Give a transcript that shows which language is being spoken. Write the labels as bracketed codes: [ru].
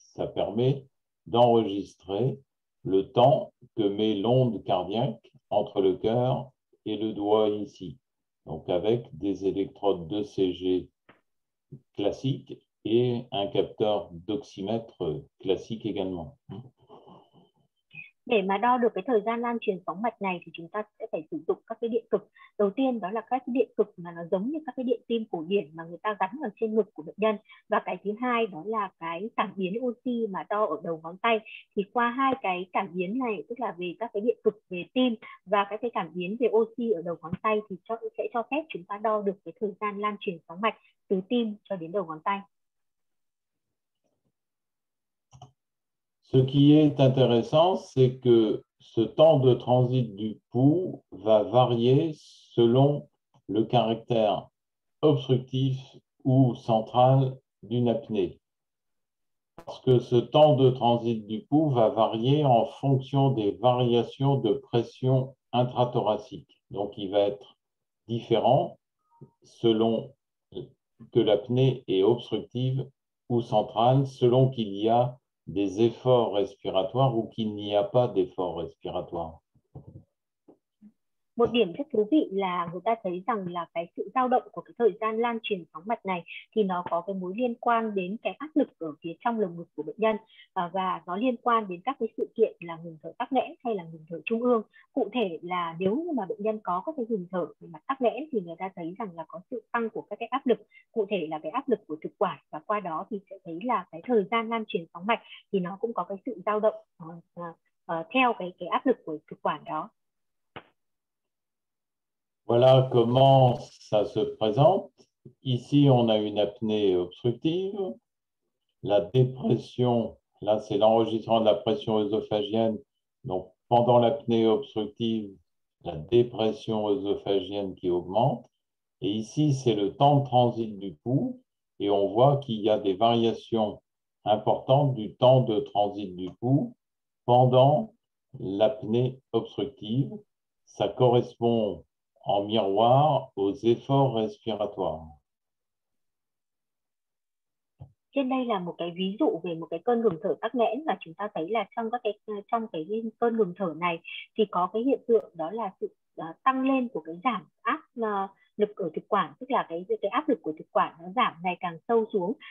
[fr] Ça permet d'enregistrer le temps que met l'onde cardiaque entre le cœur et le doigt ici. Donc avec des électrodes d'ECG classiques, et un capteur d'oxymètre classique également. [vi] Để mà đo được cái thời gian lan truyền sóng mạch này thì chúng ta sẽ phải sử dụng các cái điện cực. Đầu tiên đó là các cái điện cực mà nó giống như các cái điện tim cổ điển mà người ta gắn ở trên ngực của bệnh nhân. Và cái thứ hai đó là cái cảm biến oxy mà đo ở đầu ngón tay. Thì qua hai cái cảm biến này, tức là về các cái điện cực về tim và các cái cảm biến về oxy ở đầu ngón tay, thì sẽ cho phép chúng ta đo được cái thời gian lan truyền sóng mạch từ tim cho đến đầu ngón tay. [fr] Ce qui est intéressant, c'est que ce temps de transit du pouls va varier selon le caractère obstructif ou central d'une apnée. Parce que ce temps de transit du pouls va varier en fonction des variations de pression intrathoracique. Donc, il va être différent selon que l'apnée est obstructive ou centrale, selon qu'il y a des efforts respiratoires ou qu'il n'y a pas d'efforts respiratoires. [vi] Một điểm rất thú vị là người ta thấy rằng là cái sự dao động của cái thời gian lan truyền sóng mạch này thì nó có cái mối liên quan đến cái áp lực ở phía trong lồng ngực của bệnh nhân, và nó liên quan đến các cái sự kiện là ngừng thở tắc nghẽn hay là ngừng thở trung ương. Cụ thể là nếu như mà bệnh nhân có các cái ngừng thở về mặt tắc nghẽn thì người ta thấy rằng là có sự tăng của các cái áp lực, cụ thể là cái áp lực của thực quản, và qua đó thì sẽ thấy là cái thời gian lan truyền sóng mạch thì nó cũng có cái sự dao động theo cái áp lực của thực quản đó. [fr] Voilà comment ça se présente. Ici, on a une apnée obstructive. La dépression, là, c'est l'enregistrement de la pression œsophagienne. Donc, pendant l'apnée obstructive, la dépression œsophagienne qui augmente. Et ici, c'est le temps de transit du pouls. Et on voit qu'il y a des variations importantes du temps de transit du pouls pendant l'apnée obstructive. Ça correspond en miroir aux efforts respiratoires. [vi] Trên đây là một cái ví dụ về một cái cơn ngừng thở tắc nghẽn, và chúng ta thấy là trong các cái trong cái cơn ngừng thở này thì có cái hiện tượng đó là sự tăng lên của cái giảm áp lực ở thực quản, tức là cái áp lực của thực quản nó giảm ngày càng sâu xuống.